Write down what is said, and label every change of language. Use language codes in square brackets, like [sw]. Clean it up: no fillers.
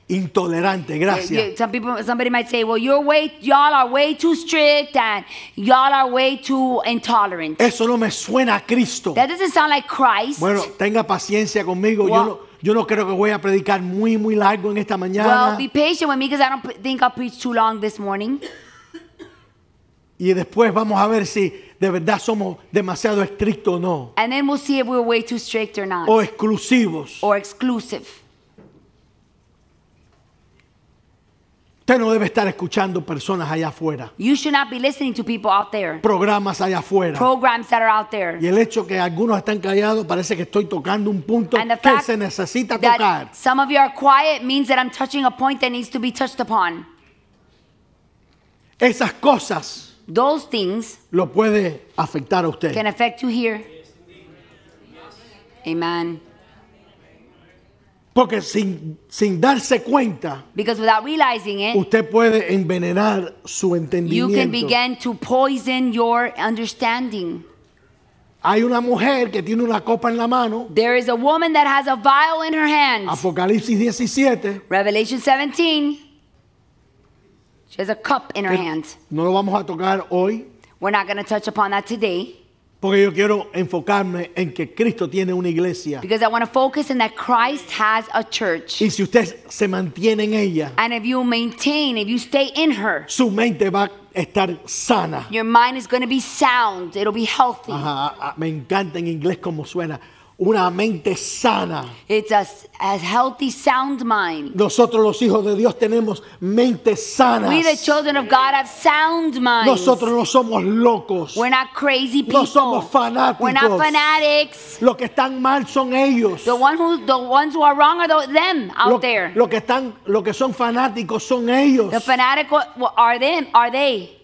[es] Intolerante, gracias. [en] Somebody might say, well, y'all are way too strict and y'all are way too intolerant. [es] Eso no me suena a Cristo. [en] That doesn't sound like Christ. [es] Bueno, tenga paciencia conmigo. Well, yo no creo que voy a predicar muy, muy largo en esta mañana. [en] Well, be patient with me because I don't think I'll preach too long this morning. [es] Y después vamos a ver si de verdad somos demasiado estrictos o no. [en] And then we'll see if we're way too strict or not. [es] O exclusivos. [en] Or exclusive. [es] Usted no debe estar escuchando personas allá afuera. [en] You should not be listening to people out there. [es] Programas allá afuera. [en] Programs that are out there. [es] Y el hecho que algunos están callados parece que estoy tocando un punto que se necesita [en] that [es] tocar. [en] Some of you are quiet means that I'm touching a point that needs to be touched upon. [es] Esas cosas. [en] Those things. [es] Lo puede afectar a usted. [en] Can affect you here. Amen. [es] Porque sin darse cuenta, [en] because without realizing it, [es] usted puede envenenar su entendimiento. [en] You can begin to poison your understanding. [es] Hay una mujer que tiene una copa en la mano. [en] There is a woman that has a vial in her hand. [es] Apocalipsis 17. [en] Revelation 17. She has a cup in her hand. [es] No lo vamos a tocar hoy. [en] We're not going to touch upon that today. [es] Porque yo quiero enfocarme en que Cristo tiene una iglesia. [en] Because I want to focus in that Christ has a church. [es] Y si usted se mantiene en ella. [en] And if you maintain, if you stay in her. [es] Su mente va a estar sana. [en] Your mind is going to be sound. It'll be healthy. [es] Ajá, me encanta en inglés cómo suena. Una mente sana. [en] It's a healthy, sound mind. [es] Nosotros los hijos de Dios tenemos mentes sanas. [en] We the children of God have sound minds. [es] Nosotros no somos locos. [en] We're not crazy people. [es] No somos fanáticos. [en] We're not fanatics. [es] Lo que están mal son ellos. [en] The ones who are wrong are them out [es] lo, [en] there. [es] Lo que son fanáticos son ellos. [en] The fanatical are them. Are they?